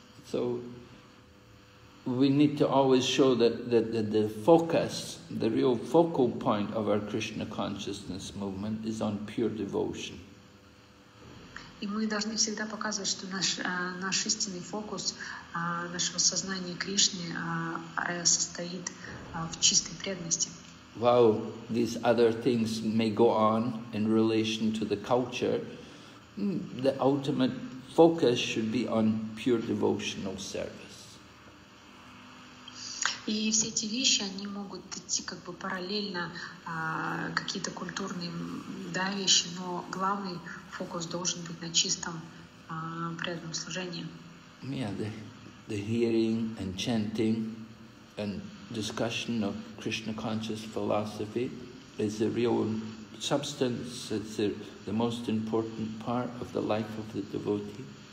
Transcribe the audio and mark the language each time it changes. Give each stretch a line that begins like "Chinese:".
English: So we need to always show that the focus, the real focal point of our Krishna consciousness movement is on pure devotion.
Russian: И мы должны всегда показывать, что наш истинный фокус нашего сознания Кришны состоит в чистой преданности.
English: While these other things may go on in relation to the culture, the ultimate focus should be on pure devotional service.
Russian: И все эти вещи, они могут идти как бы параллельно какие-то культурные вещи, но главный фокус должен быть на чистом преданном служении.
English: Yeah, the hearing and chanting and discussion of Krishna conscious philosophy is the real substance. It's the most important part of the life of the devotee.